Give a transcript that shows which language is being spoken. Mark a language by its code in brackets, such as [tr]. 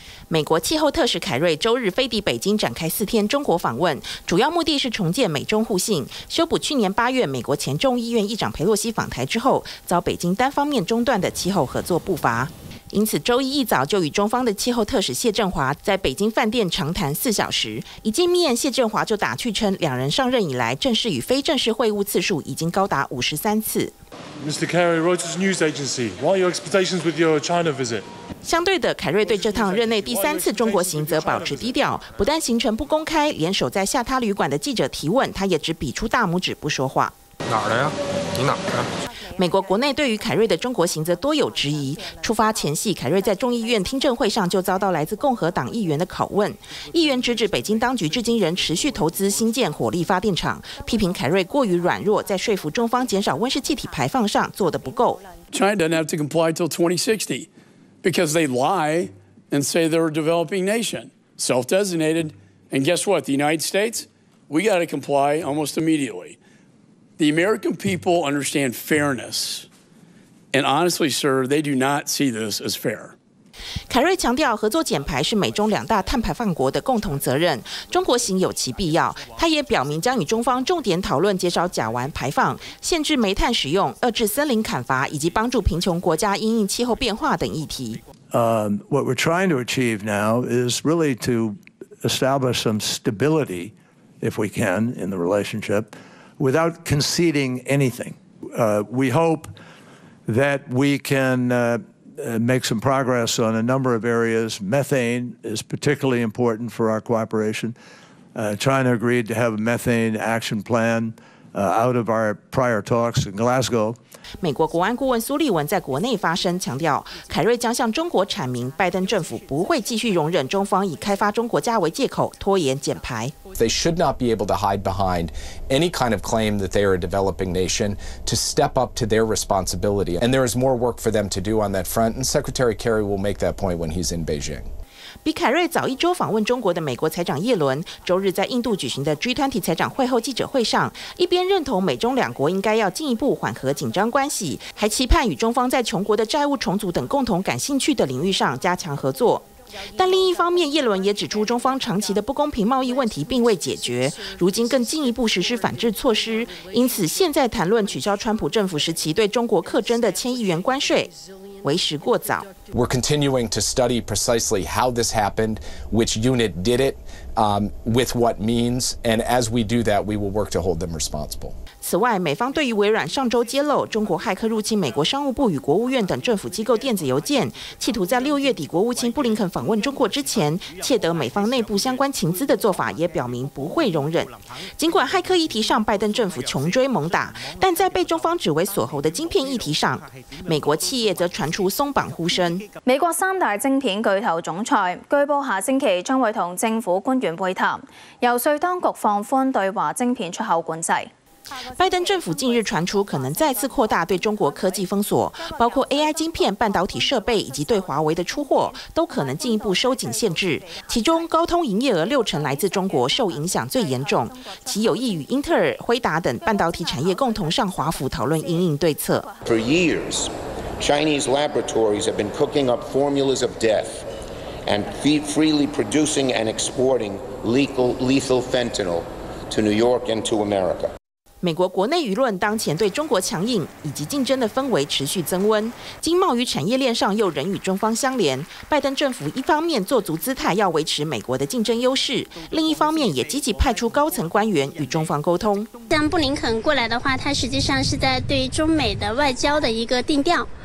[zh] 美国气候特使凯瑞周日飞抵北京，展开4天中国访问，主要目的是重建美中互信，修补去年8月美国前众议院议长佩洛西访台之后遭北京单方面中断的气候合作步伐。因此周一一早就与中方的气候特使谢振华在北京饭店长谈4小时，一见面谢振华就打趣称，两人上任以来正式与非正式会晤次数已经高达53次。 [en] Mr. Kerry, Reuters News Agency, what are your expectations with your China visit? [zh] 相对的，凯瑞对这趟任内第3次中国行则保持低调，不但行程不公开，连守在下榻旅馆的记者提问，他也只比出大拇指不说话。哪儿的呀？你哪儿的？美国国内对于凯瑞的中国行则多有质疑。出发前夕，凯瑞在众议院听证会上就遭到来自共和党议员的拷问，议员直指北京当局至今仍持续投资新建火力发电厂，批评凯瑞过于软弱，在说服中方减少温室气体排放上做得不够。 [en] China doesn't have to comply till 2060. Because they lie and say they're a developing nation, self-designated. And guess what? The United States, we got to comply almost immediately. The American people understand fairness. And honestly, sir, they do not see this as fair. [zh] 凯瑞强调，合作减排是美中两大碳排放国的共同责任，中国行有其必要。他也表明将与中方重点讨论减少甲烷排放、限制煤炭使用、遏制森林砍伐以及帮助贫穷国家因应气候变化等议题。 [en] What we're trying to achieve now is really to establish some stability, if we can, in the relationship, without conceding anything. We hope that we can. Make some progress on a number of areas. Methane is particularly important for our cooperation. China agreed to have a methane action plan out of our prior talks in Glasgow. [zh] 美国国安顾问苏利文在国内发声，强调凯瑞将向中国阐明，拜登政府不会继续容忍中方以开发中国家为借口拖延减排。 [en] They should not be able to hide behind any kind of claim that they are a developing nation to step up to their responsibility. And there is more work for them to do on that front. And Secretary Kerry will make that point when he's in Beijing. [zh] 比凯瑞早一周访问中国的美国财长耶伦，周日在印度举行的 G20 财长会后记者会上，一边认同美中两国应该要进一步缓和紧张关系，还期盼与中方在穷国的债务重组等共同感兴趣的领域上加强合作。但另一方面，耶伦也指出中方长期的不公平贸易问题并未解决，如今更进一步实施反制措施，因此现在谈论取消川普政府时期对中国课征的千亿元关税为时过早。 [en] We're continuing to study precisely how this happened, which unit did it, with what means, and as we do that, we will work to hold them responsible. [zh] 此外，美方对于微软上周揭露中国骇客入侵美国商务部与国务院等政府机构电子邮件，企图在六月底国务卿布林肯访问中国之前窃得美方内部相关情资的做法，也表明不会容忍。尽管骇客议题上拜登政府穷追猛打，但在被中方指为锁喉的晶片议题上，美国企业则传出松绑呼声。美国三大晶片巨头总裁据报下星期将会同政府官员会谈，游说当局放宽对华晶片出口管制。拜登政府近日传出可能再次扩大对中国科技封锁，包括 AI 晶片、半导体设备以及对华为的出货都可能进一步收紧限制。其中高通营业额六成来自中国，受影响最严重，其有意与英特尔、辉达等半导体产业共同上华府讨论因应对策。 [en] For years, Chinese laboratories have been cooking up formulas of death and freely producing and exporting lethal fentanyl to New York and to America. [zh] 美国国内舆论当前对中国强硬以及竞争的氛围持续增温，经贸与产业链上又仍与中方相连。拜登政府一方面做足姿态要维持美国的竞争优势，另一方面也积极派出高层官员与中方沟通。像布林肯过来的话，他实际上是在对中美的外交的一个定调。